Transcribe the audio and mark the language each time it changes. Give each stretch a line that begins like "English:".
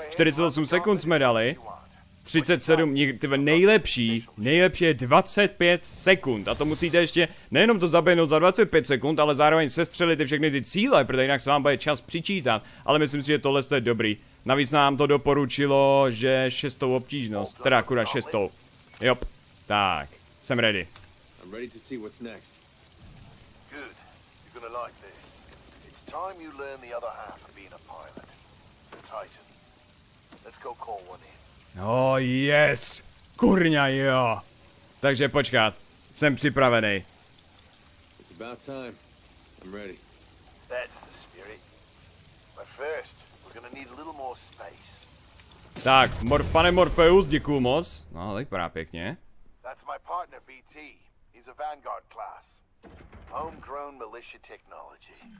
Czech: 48 sekund jsme dali. 37, nejlepší je 25 sekund. A to musíte ještě nejenom to zaběhnout za 25 sekund, ale zároveň sestřelit všechny ty cíle, protože jinak se vám bude čas přičítat. Ale myslím si, že tohle je dobrý. Navíc nám to doporučilo, že šestou obtížnost, teda akurát šestou. Jop, tak, jsem ready.
English: I'm ready to see what's next. Good, you're gonna like this. It's time you learn the other half of being a pilot. The Titan. Let's go call one in. Oh yes,
Czech: kurňa jo. Takže počkat, jsem připravený.
English: It's about time. I'm ready. That's the spirit. But first, we're gonna need a little more space.
Czech: Tak, pane Morpheus, děkuju moc. No, vypadá pěkně.
English: That's my partner, BT. He's a Vanguard class. Homegrown militia technology.